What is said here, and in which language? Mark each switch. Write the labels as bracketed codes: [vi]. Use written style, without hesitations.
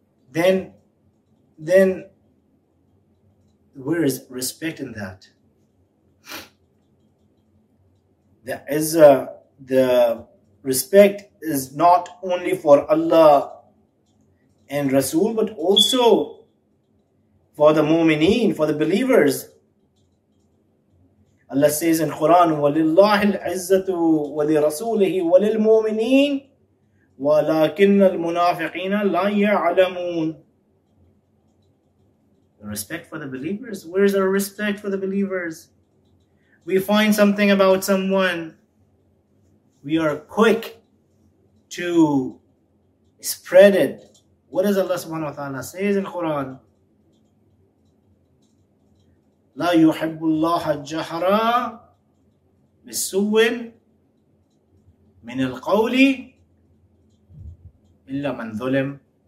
[en] Then where is respect in that? The respect is not only for Allah and Rasul, but also for the mu'mineen, for the believers. [ar] Allah says in Quran, وَلِلَّهِ الْعِزَّةُ وَلِرَسُولِهِ وَلِلْمُؤْمِنِينَ وَلَكِنَّ الْمُنَافِقِينَ لَا يَعْلَمُونَ. [en] Respect for the believers. Where's our respect for the believers? We find something about someone, we are quick to spread it. What does Allah subhanahu wa ta'ala say in Quran? [ar] لا يحب الله الجهر بالسوء من القول إلا من ظلم.